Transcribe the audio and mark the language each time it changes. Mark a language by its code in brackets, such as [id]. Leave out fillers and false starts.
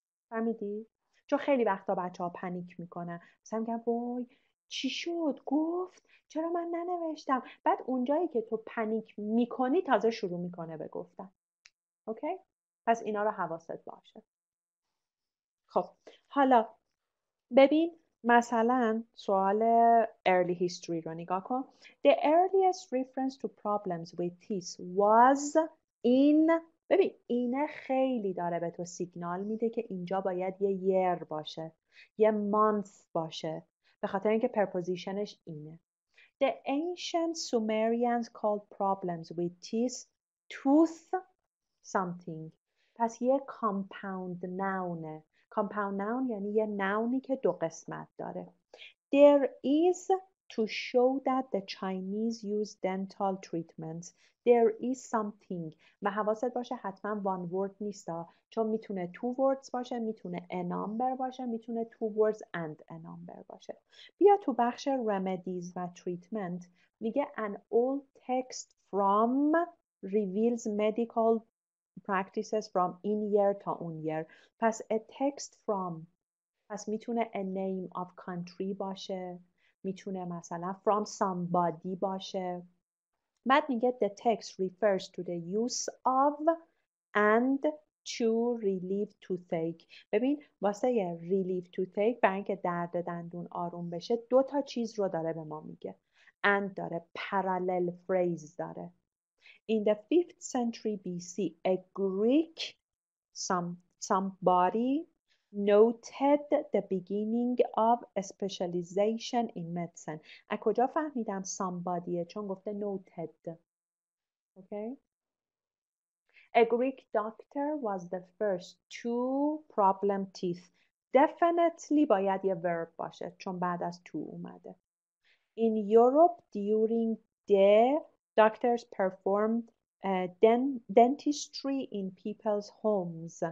[fa] فهمیدی؟ چون خیلی وقتا بچه ها پنیک میکنن، مثلا میگن وای چی شد گفت، چرا من ننوشتم، بعد اونجایی که تو پنیک میکنی تازه شروع میکنه به گفتن. اوکی؟ پس اینا رو حواست باشه. خب حالا ببین مثلا سوال [en] early history [fa] رو نگاه کن. [en] The earliest reference to problems with teeth was in [fa] ببین اینه خیلی داره به تو سیگنال میده که اینجا باید یه year باشه، یه month باشه، به خاطر اینکه پرپوزیشنش اینه. [en] The ancient Sumerians called problems with teeth, tooth, something. [fa] پس یه compound nounه. Compound noun یعنی یه نونی که دو قسمت داره. [en] There is to show that the Chinese use dental treatments. There is something. [fa] و حواست باشه حتما [en] one word [fa] نیستا. چون میتونه [en] two words باشه. میتونه a number باشه. میتونه two words and a number باشه. [fa] بیا تو بخش [en] remedies و treatment. میگه an old text from reveals medical practices from in year [fa] تا اون [en] year. پس a text from. [fa] پس میتونه [en] a name of country باشه. [fa] میتونه مثلا [en] from somebody [fa] باشه. [en] بعد میگه the text refers to the use of and to relieve toothache. [fa] ببین واسه یه [en] relieve toothache [fa] برای اینکه درد دندون آروم بشه دو تا چیز رو داره به ما میگه. [en] And [fa] داره. [en] Parallel phrase داره. In the 5th century BC a Greek somebody noted the beginning of specialization in medicine. [fa] از کجا فهمیدم somebody چون گفته noted. [en] Okay. A Greek doctor was the first to problem teeth. [fa] Definitely باید یه verb باشه چون بعد از to اومده. [en] In Europe during the doctors performed dentistry in people's homes.